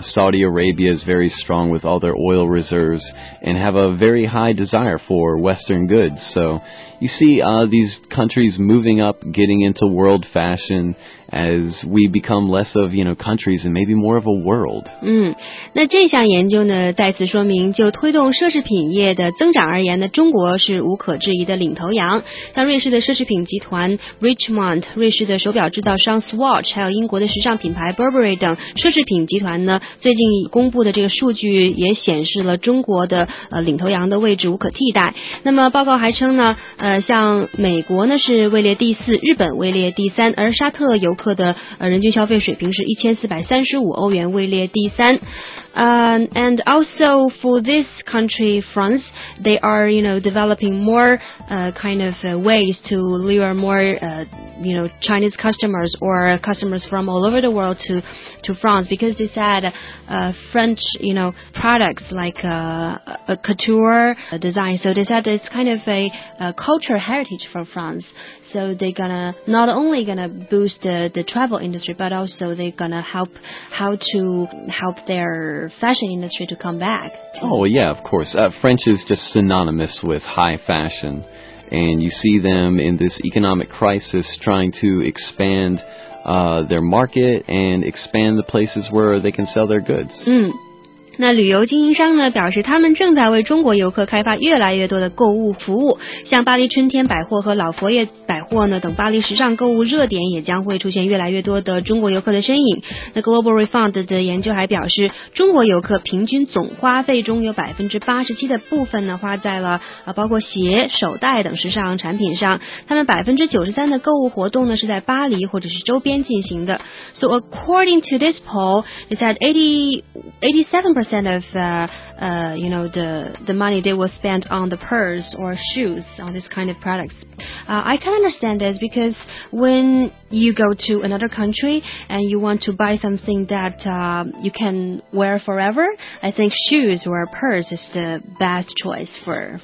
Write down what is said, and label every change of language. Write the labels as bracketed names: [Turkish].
[English] Saudi Arabia is very strong with all their oil reserves and have a very high desire for Western goods. So you see these countries moving up, getting into world fashion as we become less of, you know, countries and maybe more of a world. [Chinese] 那这项研究呢再次说明，就推动奢侈品业的增长而言呢，中国是无可置疑的领头羊。像瑞士的奢侈品集团 Richemont， 瑞士的手表制造商 Swatch， 还有英国的时尚品牌 Burberry 等奢侈品集团呢，最近公布的这个数据也显示了中国的领头羊的位置无可替代。那么报告还称呢，像美国呢是位列第四，日本位列第三，而沙特游客的人均消费水平是1435欧元，位列第三。 [English] And also for this country, France, they are, you know, developing more kind of ways to lure more, you know, Chinese customers or customers from all over the world to France, because they said French, you know, products like a couture design. So they said it's kind of a cultural heritage for France. So they're gonna not only gonna boost the travel industry, but also they're gonna help how to help their fashion industry to come back. Oh, yeah, of course. French is just synonymous with high fashion. And you see them in this economic crisis trying to expand their market and expand the places where they can sell their goods. Mm. [Chinese] 那旅游经营商呢表示，他们正在为中国游客开发越来越多的购物服务，像巴黎春天百货和老佛爷百货呢等巴黎时尚购物热点也将会出现越来越多的中国游客的身影。那 Global Refund 的研究还表示，中国游客平均总花费中有87%的部分呢花在了包括鞋、手袋等时尚产品上，他们93%的购物活动呢是在巴黎或者是周边进行的。 [English] So according to this poll, it said 87% of you know the money they will spend on the purse or shoes on this kind of products. I can understand this because when you go to another country and you want to buy something that you can wear forever, I think shoes or a purse is the best choice for.